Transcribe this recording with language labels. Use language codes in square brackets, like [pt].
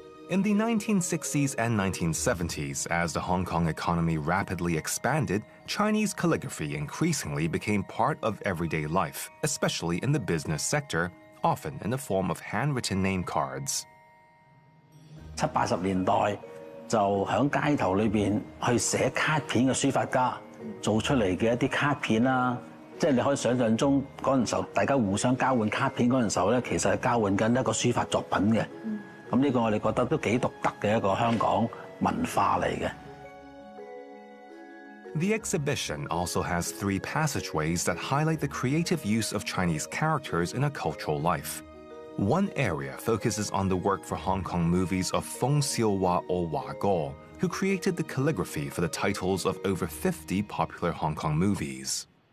[en] In the 1960s and 1970s, as the Hong Kong economy rapidly expanded, Chinese calligraphy increasingly became part of everyday life, especially in the business sector, often in the form of handwritten name cards. [yue] 七八十年代就喺街頭裏邊去寫卡片嘅書法家做出嚟嘅一啲卡片啦，即係你可以想象中嗰陣時候大家互相交換卡片嗰陣時候咧，其實係交換緊一個書法作品嘅。 [en] The exhibition also has three passageways that highlight the creative use of Chinese characters in a cultural life. One area focuses on the work for Hong Kong movies of Feng Xiuhua or Hua Guo, who created the calligraphy for the titles of over 50 popular Hong Kong movies.